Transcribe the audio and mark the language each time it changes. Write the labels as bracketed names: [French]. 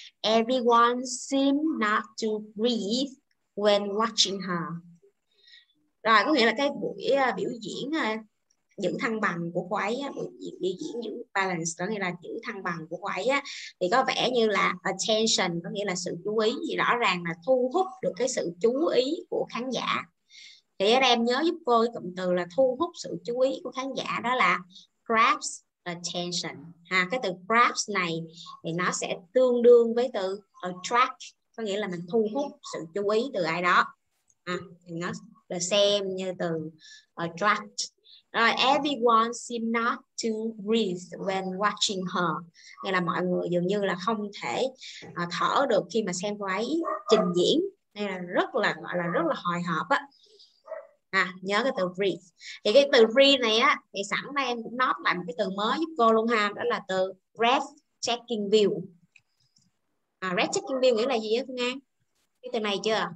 [English] Everyone seemed not to breathe when watching her. [Vietnamese] Rồi, có nghĩa là cái buổi biểu diễn giữ thăng bằng của cô ấy, buổi diễn biểu diễn giữ balance có nghĩa là giữ thăng bằng của cô ấy á, thì có vẻ như là attention có nghĩa là sự chú ý, thì rõ ràng là thu hút được cái sự chú ý của khán giả. Thì các em nhớ giúp cô cái cụm từ là thu hút sự chú ý của khán giả, đó là grab attention ha. Cái từ grab này thì nó sẽ tương đương với từ attract, có nghĩa là mình thu hút sự chú ý từ ai đó. Thì nó là xem như từ attract. Rồi, [English] everyone seemed not to breathe when watching her. [Vietnamese] Nghĩa là mọi người dường như là không thể thở được khi mà xem cô ấy trình diễn. Nên là rất là gọi là rất là hồi hộp á. Nhớ cái từ breathe. Thì cái từ breathe này á, thì sẵn đây em cũng nói lại một cái từ mới giúp cô luôn ha. Đó là từ breathtaking view. Breathtaking view nghĩa là gì á Phương An? Cái từ này chưa?